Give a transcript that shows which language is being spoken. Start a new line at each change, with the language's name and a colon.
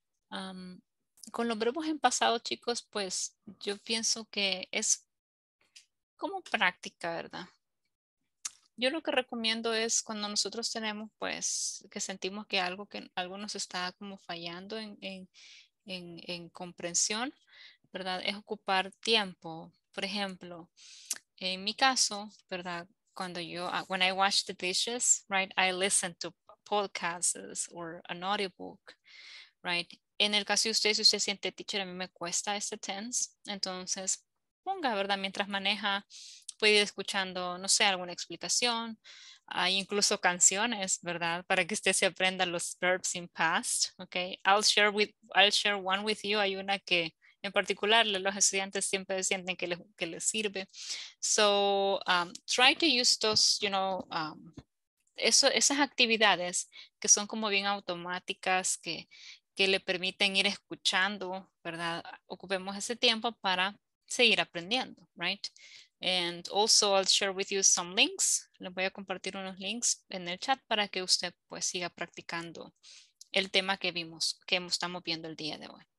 Spanish: Con los verbos en pasado, chicos, pues yo pienso que es como práctica, ¿verdad? Yo lo que recomiendo es cuando nosotros tenemos, pues, que sentimos que algo nos está como fallando en comprensión, ¿verdad? Es ocupar tiempo. Por ejemplo, en mi caso, ¿verdad? Cuando yo,
English: when I wash the dishes, right? I listen to podcasts or an audiobook, right?
Spanish: En el caso de usted, si usted siente, teacher, a mí me cuesta este tense, entonces ponga, ¿verdad? Mientras maneja, puede ir escuchando, no sé, alguna explicación, hay incluso canciones, ¿verdad? Para que usted se aprenda los
English: verbs in past,
Spanish: ¿ok?
English: I'll share one with you,
Spanish: hay una que en particular los estudiantes siempre sienten que les sirve.
English: So, try to use those, you know,
Spanish: esas actividades que son como bien automáticas, que le permiten ir escuchando, ¿verdad? Ocupemos ese tiempo para seguir aprendiendo, right?
English: And also I'll share with you some links.
Spanish: Les voy a compartir unos links en el chat para que usted pues siga practicando el tema que vimos, que estamos viendo el día de hoy.